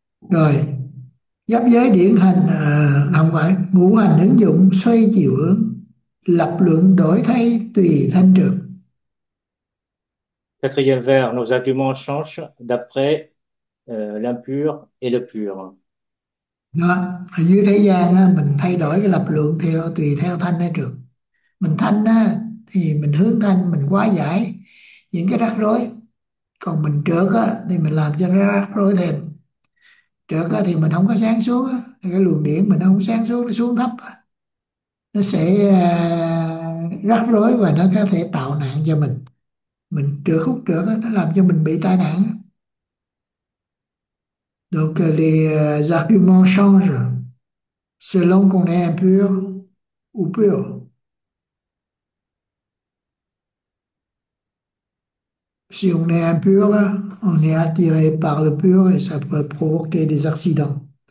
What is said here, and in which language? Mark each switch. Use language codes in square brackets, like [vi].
[vi] Rồi, giáp giới điển hành, không phải, ngũ hành ứng dụng xoay chiều hướng, lập luận đổi thay tùy thanh trường. [fr] Quatrième vers, nos arguments changent d'après l'impur et le pur. [vi] Đó. Ở dưới thế gian á, mình thay đổi cái lập luận theo tùy theo thanh hay trược. Mình thanh á, thì mình hướng thanh, mình hóa giải những cái rắc rối. Còn mình trược á, thì mình làm cho nó rắc rối thêm. Trược á, thì mình không có sáng suốt á, thì cái luồng điện mình không sáng suốt, nó xuống thấp á. Nó sẽ rắc rối và nó có thể tạo nạn cho mình. Mình trược khúc trược á, nó làm cho mình bị tai nạn á. [fr] Donc les arguments changent selon qu'on est impur ou pur. Si on est impur, on est attiré par le pur et ça peut provoquer des accidents.